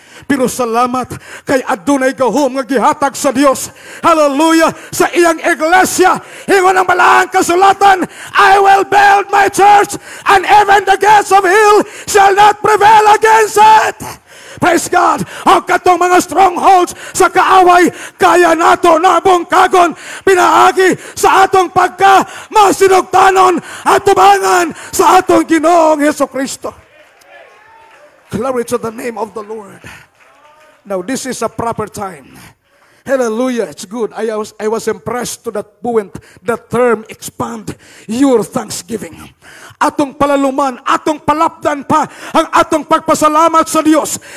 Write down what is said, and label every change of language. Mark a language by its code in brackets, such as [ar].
[ceb] Pero salamat kay adunay gahom nga gihatag sa Dios. [en] Hallelujah! [ceb] Sa iyang iglesia, hingon ang balaang kasulatan, [en] I will build my church and even the gates of hell shall not prevail against it. Praise God! [ceb] Ang katong mga strongholds sa kaaway, kaya nato nabong kagon, pinaagi sa atong pagka masinugtanon at tubangan sa atong Ginoong Heso Kristo. [en] Glory to the name of the Lord. Now, this is a proper time. Hallelujah, it's good. I was impressed to that point, the term expand your thanksgiving. [ceb] Atong palaluman, atong palapdan pa ang atong pagpasalamat sa Dios.